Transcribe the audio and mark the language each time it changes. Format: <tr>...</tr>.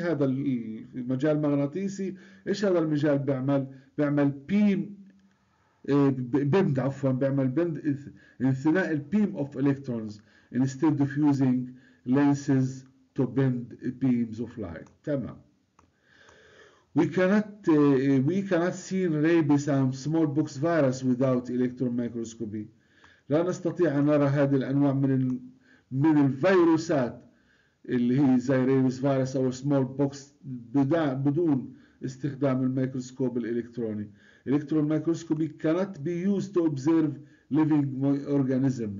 <ar>هذا المجال المغناطيسي ايش هذا المجال بيعمل؟ بيعمل بيم بند عفوا بيعمل بند انثناء البيم اوف الكترونز</ar> <en>instead of using lenses to bend beams of light.</en> <ar>تمام.</ar> <en>We cannot see rabies and smallpox virus without electron microscopy.</en> <ar>لا نستطيع أن نرى هذه الأنواع من الفيروسات اللي هي زي rabies virus أو smallpox بدون استخدام الميكروسكوب الإلكتروني.</ar> <en>Electron microscopy cannot be used to observe living organism.</en>